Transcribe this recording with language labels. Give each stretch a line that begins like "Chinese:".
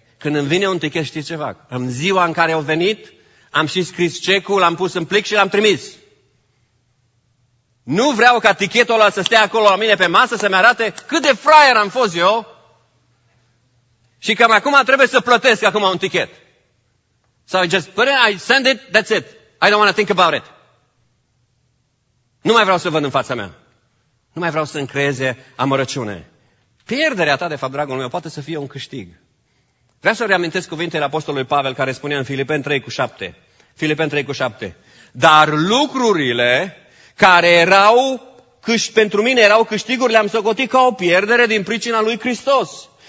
Romanian: Când îmi vine un tichet, știți ce fac? În ziua în care au venit, am și scris cecul, l-am pus în plic și l-am trimis. Nu vreau ca tichetul ăla să stea acolo la mine pe masă să-mi arate cât de fraier am fost eu și că acum trebuie să plătesc acum un tichet.
English: So I just put it, I send it, that's it. I don't want to think about it.
Romanian: Nu mai vreau să văd în fața mea. Nu mai vreau să-mi creeze amărăciune. Pierderea ta, de fapt, dragul meu, poate să fie un câștig. Vreau să reamintesc cuvintele Apostolului Pavel care spunea în Filipeni 3:7. Filipeni 3:7. Dar lucrurile care erau pentru mine erau câștiguri, le-am socotit ca o pierdere din pricina lui Hristos.